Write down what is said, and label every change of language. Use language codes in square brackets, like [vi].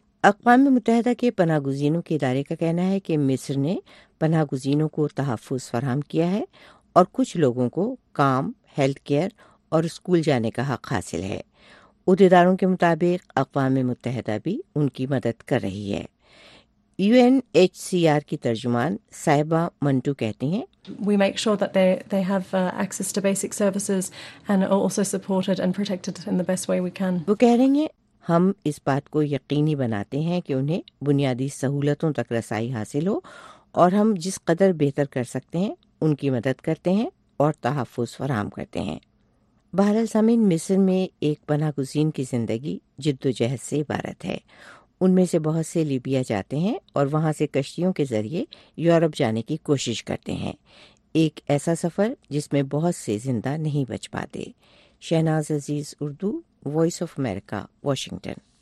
[ur] اقوام متحدہ کے پناہ گزینوں کے ادارے کا کہنا ہے کہ مصر نے پناہ گزینوں کو تحفظ فراہم کیا ہے اور کچھ لوگوں کو کام، ہیلتھ کیئر اور اسکول جانے کا حق حاصل ہے۔ عہدیداروں کے مطابق اقوام متحدہ بھی ان کی مدد کر رہی ہے۔ You N H C R کی ترجمان صاحبہ منٹو کہتی ہیں، [en] We make sure that they have access to basic services and are also supported and protected in the best way we can. [ur] وہ کہہ رہی ہیں، ہم اس بات کو یقینی بناتے ہیں کہ انہیں بنیادی سہولتوں تک رسائی حاصل ہو، اور ہم جس قدر بہتر کر سکتے ہیں ان کی مدد کرتے ہیں اور تحفظ فراہم کرتے ہیں۔ بہرحال سامعین، مصر میں ایک پناہ گزین کی زندگی جدوجہد سے عبارت ہے۔ ان میں سے بہت سے لیبیا جاتے ہیں اور وہاں سے کشتیوں کے ذریعے یورپ جانے کی کوشش کرتے ہیں، ایک ایسا سفر جس میں بہت سے زندہ نہیں بچ پاتے۔ شہناز عزیز، Urdu, voice of America, Washington.